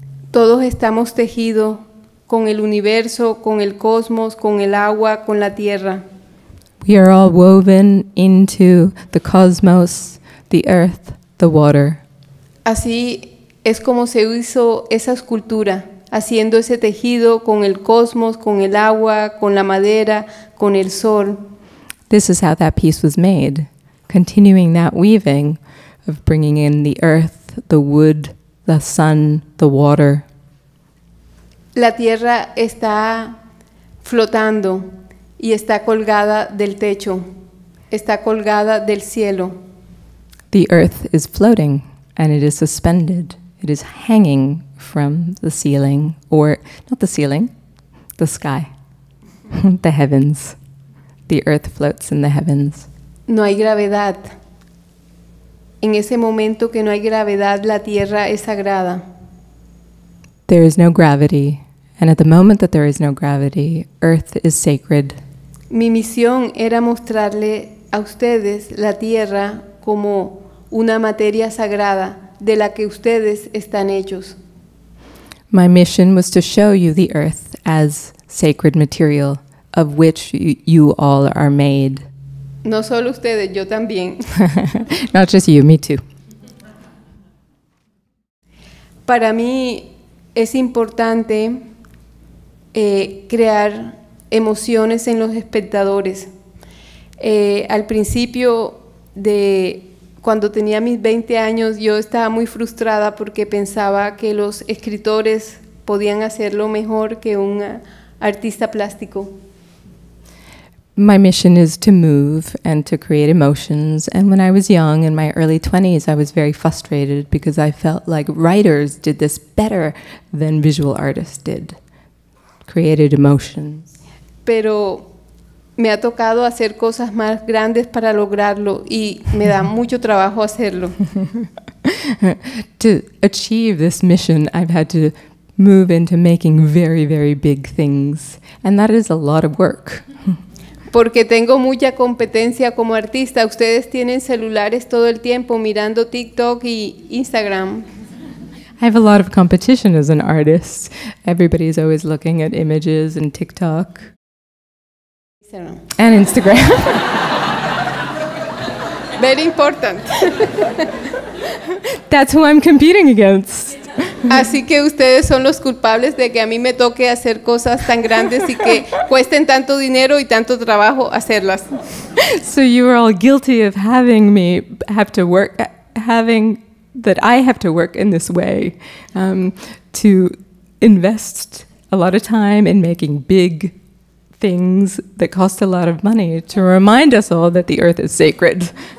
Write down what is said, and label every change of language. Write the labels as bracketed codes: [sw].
[es] Todos estamos tejidos con el universo, con el cosmos, con el agua, con la tierra. [en] We are all woven into the cosmos, the earth, the water. [es] Así es como se hizo esa escultura, haciendo ese tejido con el cosmos, con el agua, con la madera, con el sol. [en] This is how that piece was made, continuing that weaving of bringing in the earth, the wood, the sun, the water. [es] La tierra está flotando y está colgada del techo. Está colgada del cielo. [en] The earth is floating and it is suspended. It is hanging from the ceiling, or not the ceiling, the sky, the heavens. The earth floats in the heavens. [es] No hay gravedad. En ese momento que no hay gravedad, la tierra es sagrada. [en] There is no gravity, and at the moment that there is no gravity, earth is sacred. [es] Mi misión era mostrarle a ustedes la tierra como una materia sagrada de la que ustedes están hechos. [en] My mission was to show you the earth as sacred material of which you all are made. [es] No solo ustedes, yo también. [en] Not just you, me too. [es] Para mí es importante crear emociones en los espectadores. Al principio de cuando tenía mis 20 años, yo estaba muy frustrada porque pensaba que los escritores podían hacerlo mejor que un artista plástico. [en] My mission is to move and to create emotions. And when I was young, in my early 20s, I was very frustrated because I felt like writers did this better than visual artists did, created emotions. [es] Pero me ha tocado hacer cosas más grandes para lograrlo y me da mucho trabajo hacerlo. [en] To achieve this mission, I've had to move into making very, very big things. And that is a lot of work. [es] Porque tengo mucha competencia como artista. Ustedes tienen celulares todo el tiempo mirando TikTok y Instagram. [en] I have a lot of competition as an artist. Everybody's always looking at images and TikTok. Instagram. And Instagram. Very important. That's who I'm competing against. [es] Así que ustedes son los culpables de que a mí me toque hacer cosas tan grandes y que cuesten tanto dinero y tanto trabajo hacerlas. [en] So you are all guilty of having me have to work, having that I have to work in this way, to invest a lot of time in making big things that cost a lot of money to remind us all that the earth is sacred.